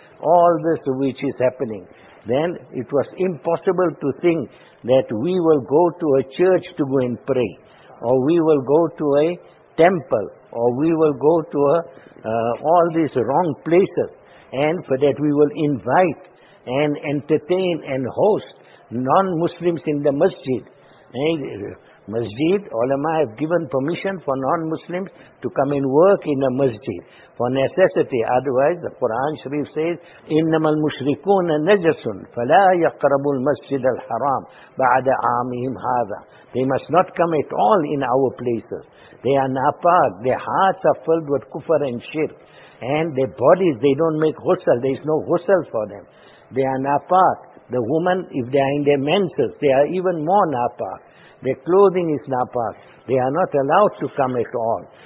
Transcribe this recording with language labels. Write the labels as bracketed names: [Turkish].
[English] All this which is happening. Then it was impossible to think that we will go to a church to go and pray, or we will go to a temple, or we will go to all these wrong places, and for that we will invite and entertain and host non-Muslims in the masjid. Masjid, ulama have given permission for non-Muslims to come and work in a masjid for necessity. Otherwise, the Quran Sharif says, [Arabic] إِنَّمَا الْمُشْرِكُونَ نَجَسٌ فَلَا يَقْرَبُ الْمَسْجِدَ الْحَرَامِ بَعْدَ عَامِهِمْ هَذَا. [English] They must not come at all in our places. They are napak. Their hearts are filled with kufr and shirk. And their bodies, they don't make ghusl. There is no ghusl for them. They are napak. The women, if they are in their menses, they are even more napak. Their clothing is napak. They are not allowed to come at all.